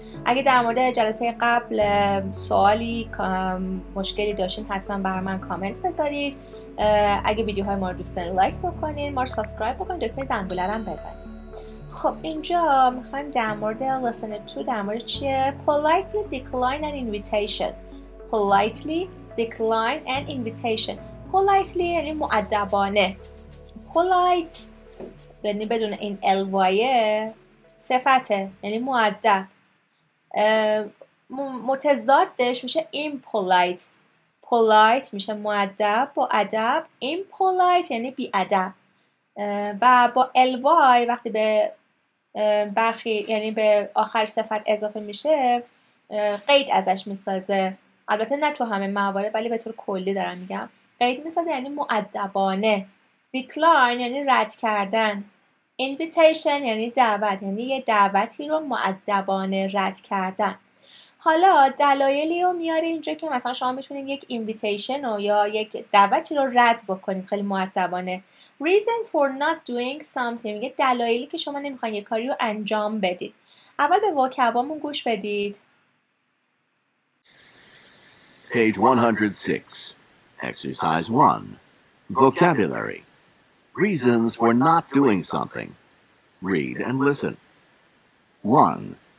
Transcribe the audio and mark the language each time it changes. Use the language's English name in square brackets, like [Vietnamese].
[Persian] اگه در مورد جلسه قبل سوالی مشکلی داشتین حتما برام کامنت بذارید. اگه ویدیوهای ما رو دوست دارین لایک بکنین، ما رو سابسکرایب بکنین، دکمه زنگوله رو هم بزنین. خب اینجا میخوایم در مورد لسن 2 در مورد چیه؟ [English] politely decline an invitation. politely decline an invitation. [Persian] politely یعنی مؤدبانه. polite یعنی بدون این ال وای صفته، یعنی مؤدب. متضادش میشه impolite. پولایت میشه مؤدب، با ادب. ایمپولایت یعنی بی ادب، و با ال وای وقتی به برخی یعنی به آخر صفت اضافه میشه قید ازش میسازه، البته نه تو همه موارد ولی به طور کلی دارم میگم، قید میسازه یعنی مؤدبانه. دیکلاین یعنی رد کردن. اینویتیشن یعنی دعوت، یعنی یه دعوتی رو مؤدبانه رد کردن. حالا دلایلی رو میاره اینجا که مثلا شما میتونید یک invitation رو یا یک دعوتی رو رد بکنید خیلی مؤدبانه. [English] reasons for not doing something [Persian] یه دلایلی که شما نمیخواید یک کاری رو انجام بدید. اول به وکبامون گوش بدید. [English] page 106 exercise 1 vocabulary reasons for not doing something read and listen 1